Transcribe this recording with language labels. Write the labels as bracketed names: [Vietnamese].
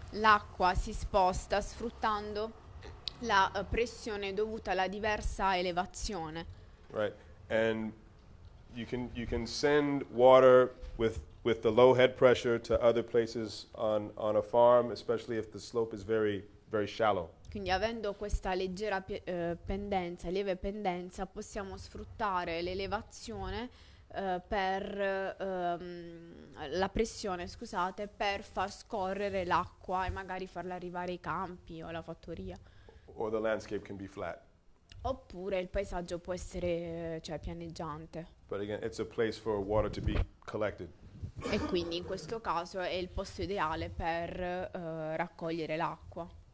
[Italian] L'acqua si sposta sfruttando la pressione dovuta alla diversa elevazione. [English] Right, and you can send water with the low head pressure to other places on a farm, especially if the slope is very, very shallow. [Italian] Quindi avendo questa leggera pendenza, lieve pendenza, possiamo sfruttare l'elevazione la pressione, scusate, per far scorrere l'acqua e magari farla arrivare ai campi o alla fattoria. [English] Or the landscape can be flat. [Italian] Oppure il paesaggio può essere, cioè, pianeggiante. [English] But again, it's a place for water to be collected. [Italian] E quindi in questo caso è il posto ideale per raccogliere l'acqua.